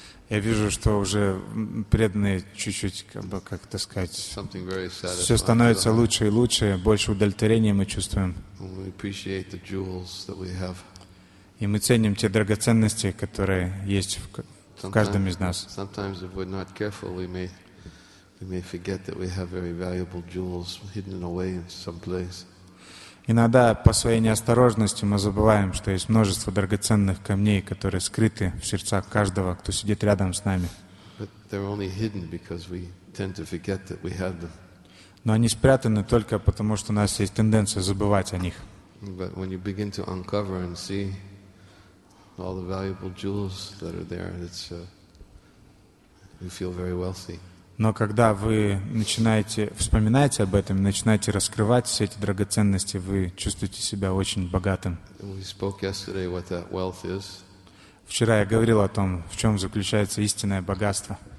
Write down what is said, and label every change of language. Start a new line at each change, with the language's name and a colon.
Russian: Я вижу, что уже преданные чуть-чуть, как это сказать, все становится лучше и лучше, больше удовлетворения мы чувствуем.
English: We appreciate the jewels that we have.
Russian: И мы ценим те драгоценности, которые есть в каждом из нас.
English: Sometimes, if we're not careful, we may forget that we have very valuable jewels hidden away in some place.
Russian: Иногда по своей неосторожности мы забываем, что есть множество драгоценных камней, которые скрыты в сердцах каждого, кто сидит рядом с нами.
English: But they're only hidden because we tend to forget that we have them.
Russian: Но они спрятаны только потому, что у нас есть тенденция забывать о них.
English: But when you begin to uncover and see all the valuable jewels that are there, you feel very wealthy.
Russian: Но когда вы начинаете вспоминать об этом, начинаете раскрывать все эти драгоценности, вы чувствуете себя очень богатым. Вчера я говорил о том, в чем заключается истинное богатство.